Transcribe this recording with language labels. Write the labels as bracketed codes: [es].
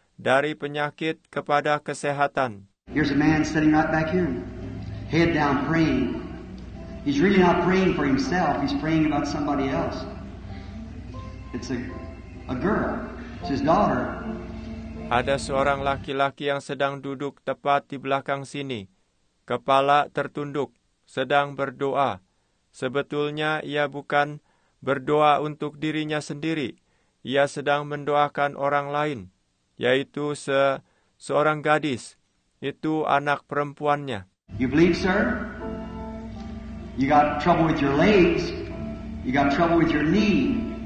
[id] Dari penyakit kepada kesehatan. [en] Here's a man sitting right back here, head down praying. He's really not praying for himself, he's praying about somebody else. It's a girl, it's his daughter. [id] Ada seorang laki-laki yang sedang duduk tepat di belakang sini, kepala tertunduk, sedang berdoa. Sebetulnya ia bukan berdoa untuk dirinya sendiri, ia sedang mendoakan orang lain. Yaitu seorang gadis, itu anak perempuannya. [en] You believe, sir? You got trouble with your legs. You got trouble with your knee.